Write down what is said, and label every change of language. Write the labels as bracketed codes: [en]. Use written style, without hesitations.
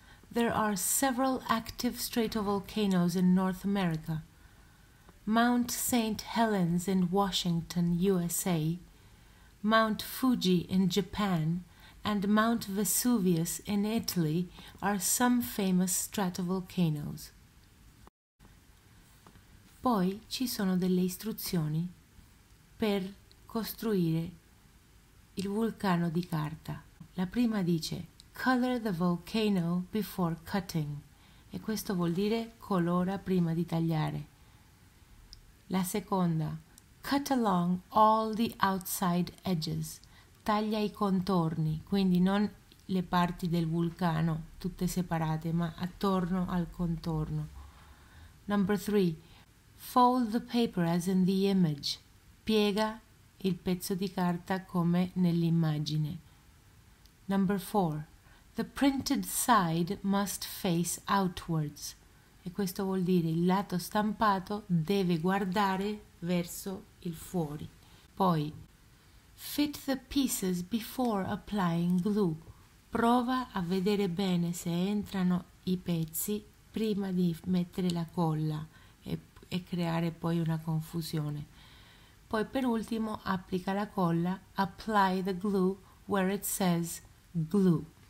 [en] There are several active stratovolcanoes in North America. Mount St. Helens in Washington, USA, Mount Fuji in Japan, and Mount Vesuvius in Italy are some famous stratovolcanoes. [it] Poi ci sono delle istruzioni per costruire il vulcano di carta. La prima dice [en] color the volcano before cutting, [it] e questo vuol dire colora prima di tagliare. La seconda, [en] cut along all the outside edges, [it] taglia i contorni, quindi non le parti del vulcano tutte separate, ma attorno al contorno. [en] Number three, fold the paper as in the image, [it] piega il pezzo di carta come nell'immagine. [en] Number four, the printed side must face outwards, [it] e questo vuol dire il lato stampato deve guardare verso il fuori. [en] Poi, fit the pieces before applying glue. [it] Prova a vedere bene se entrano i pezzi prima di mettere la colla e creare poi una confusione. Poi per ultimo applica la colla, [en] apply the glue where it says glue.